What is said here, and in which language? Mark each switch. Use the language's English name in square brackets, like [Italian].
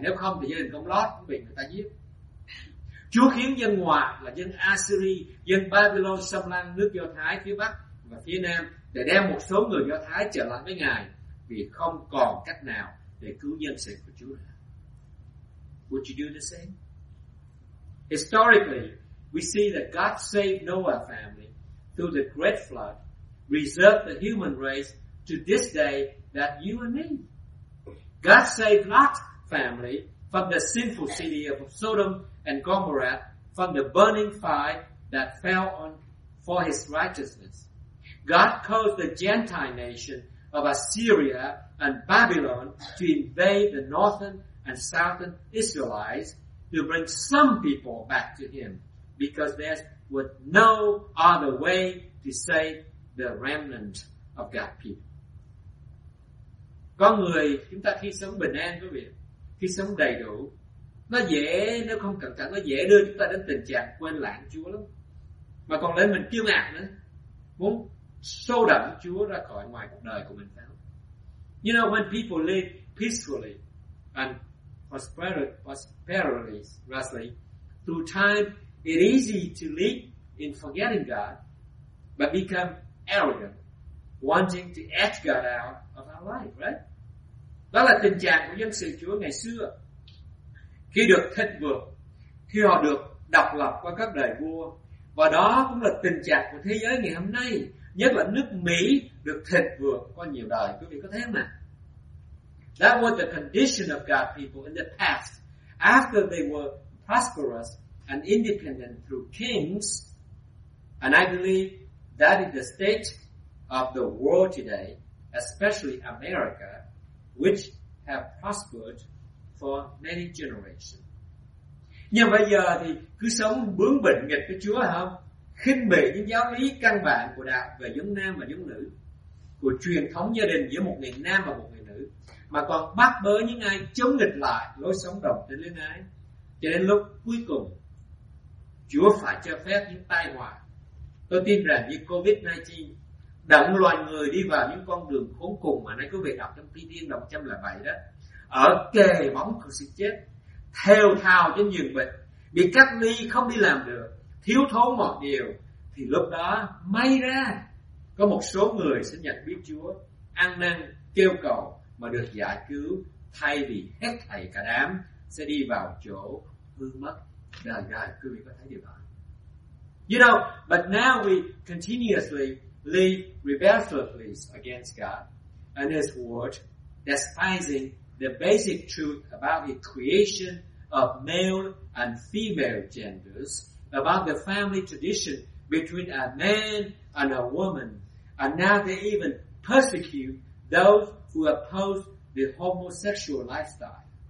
[Vietnamese] Nếu không thì gia đình của ông Lot cũng bị người ta giết. Chúa khiến dân ngoại là dân Assyria, dân Babylon xâm lăng nước Do Thái phía Bắc và phía Nam, để đem một số người Do Thái trở lại với Ngài, vì không còn cách nào để cứu dân sự của Chúa nữa. [English] Would you do the same? Historically, we see that God saved Noah's family through the great flood, reserved the human race to this day that you and me. God saved Lot's family from the sinful city of Sodom and Gomorrah, from the burning fire that fell on for his righteousness. God caused the Gentile nation of Assyria and Babylon to invade the northern and southern Israelites to bring some people back to him, because there was no other way to save the remnant of God's people. [Vietnamese] Con người chúng ta khi sống bình an, quý vị, khi sống đầy đủ, nó dễ, nếu không cẩn thận, nó dễ đưa chúng ta đến tình trạng quên lãng Chúa lắm. Mà còn lên mình kiêu ngạo nữa, muốn xô đẩy Chúa ra khỏi ngoài cuộc đời của mình. Phải không? [English] You know, when people live peacefully and prosperously through time, it is easy to live in forgetting God, but become arrogant, wanting to edge God out of our life, right? [Vietnamese] Đó là tình trạng của dân sự Chúa ngày xưa. Khi được thịnh vượng, khi họ được độc lập qua các đời vua, và đó cũng là tình trạng của thế giới ngày hôm nay, nhất là nước Mỹ được thịnh vượng qua nhiều đời. Quý vị có thấy không ạ? [English] That was the condition of God's people in the past. After they were prosperous and independent through kings, and I believe that is the state of the world today, especially America, which have prospered for many generations. [Vietnamese] Nhưng bây giờ thì cứ sống bướng bỉnh nghịch với Chúa không? Khinh bỉ những giáo lý căn bản của đạo về giống nam và giống nữ, của truyền thống gia đình giữa một người nam và một người nữ, mà còn bắt bớ những ai chống nghịch lại lối sống đồng tính luyến ái, cho đến lúc cuối cùng Chúa phải cho phép những tai họa. Tôi tin rằng như COVID-19 đẩy loài người đi vào những con đường khốn cùng mà nãy quý vị đọc trong Thi-thiên 107 đó, ở kề bóng của sự chết, thều thào trên giường bệnh, bị cách ly không đi làm được, thiếu thốn mọi điều, thì lúc đó may ra có một số người sẽ nhận biết Chúa, ăn năn kêu cầu mà được giải cứu, thay vì hết thảy cả đám sẽ đi vào chỗ hư mất đời đời. Quý vị có thấy điều đó? [English] You know, but now we continuously live rebelliously against God and His Word, despising the basic truth about the creation of male and female genders, about the family tradition between a man and a woman, and now they even persecute those who oppose the homosexual lifestyle.